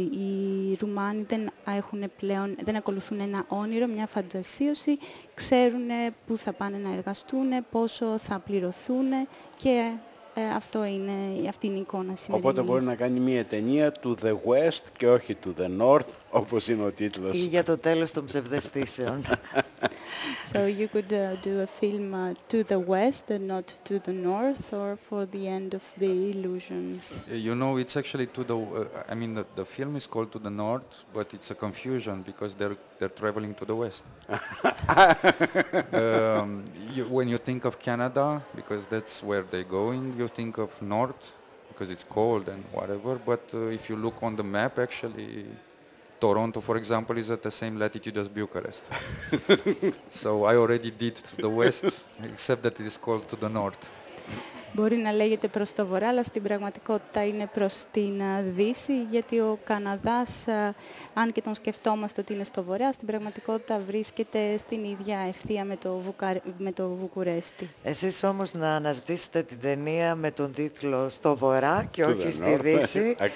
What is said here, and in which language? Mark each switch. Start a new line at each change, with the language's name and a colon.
Greek: Οι Ρουμάνοι δεν ακολουθούν ένα όνειρο, μια φαντασίωση. Ξέρουν πού θα πάνε να εργαστούν, πόσο θα πληρωθούν και αυτή είναι η εικόνα σημερινή. Οπότε μπορεί να κάνει μια ταινία «To the West» και όχι «To the North», όπως είναι ο τίτλος. Ή για το τέλος των ψευδεστήσεων.
English: So you could do a film to the west and not to the north, or for the end of the illusions. You know, it's actually to the. I mean, the film is called To the North, but it's a confusion because they're traveling to the west. when you think of Canada, because that's where they're going, you think of north because it's cold and whatever. But if you look on the map, actually. Toronto, for example, is at the same latitude as Bucharest. So I already did to the west, except that it is called to the north.
Greek: Μπορεί να λέγεται προς το βορρά, αλλά στην πραγματικότητα είναι προς την δύση, γιατί ο Καναδάς, αν και τον σκεφτόμαστε ότι είναι στο βορρά, στην πραγματικότητα βρίσκεται στην ίδια ευθεία με το Βουκουρέστι. Εσείς όμως να αναζητήσετε την ταινία με τον τίτλο «Στο βορρά» και όχι στη δύση.